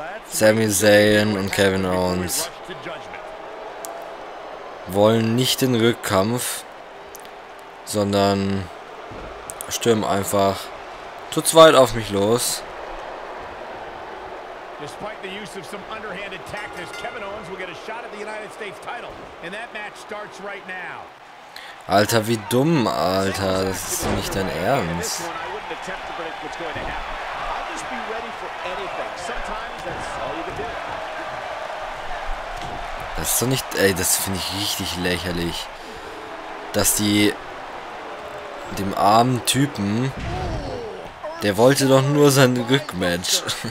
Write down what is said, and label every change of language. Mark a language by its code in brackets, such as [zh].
[de] Sami Zayn und Kevin Owens wollen nicht den Rückkampf, sondern stürmen einfach zu zweit auf mich los. [en] Despite the use of some underhanded tactics, Kevin Owens will get a shot at the United States title, and that match starts right now. [de] Alter, wie dumm, Alter, das ist nicht dein Ernst. [en] I'll just be ready for anything. Sometimes that's all you can do. [de] Das ist doch nicht, ey, das finde ich richtig lächerlich, dass die dem armen Typen, der wollte doch nur sein Rückmatch.